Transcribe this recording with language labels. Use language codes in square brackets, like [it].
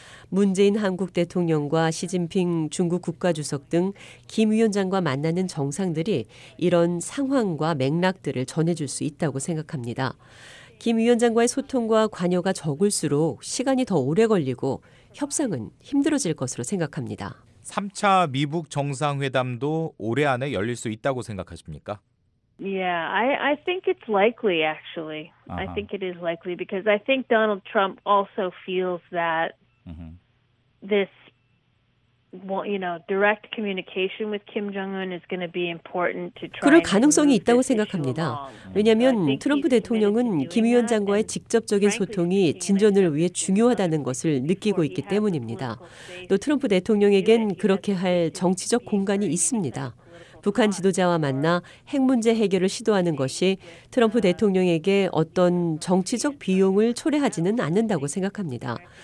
[ko] 문재인 한국 대통령과 시진핑 중국 국가주석 등 김 위원장과 만나는 정상들이 이런 상황과 맥락들을 전해줄 수 있다고 생각합니다. 김 위원장과의 소통과 관여가 적을수록 시간이 더 오래 걸리고 협상은 힘들어질 것으로 생각합니다. 3차 미북 정상회담도 올해 안에 열릴 수 있다고 생각하십니까? [en] Yeah, I think it's likely actually. I think it is likely because I think Donald Trump also feels that this you know, direct communication with Kim Jong-un is going to be important to try. [ko] 그럴 가능성이 있다고 생각합니다. 왜냐면 트럼프 대통령은 김 위원장과의 직접적인 소통이 진전을 위해 중요하다는 것을 느끼고 있기 때문입니다. 또 트럼프 대통령에겐 그렇게 할 정치적 공간이 있습니다. 북한 지도자와 만나 핵 문제 해결을 시도하는 것이 트럼프 대통령에게 어떤 정치적 비용을 초래하지는 않는다고 생각합니다.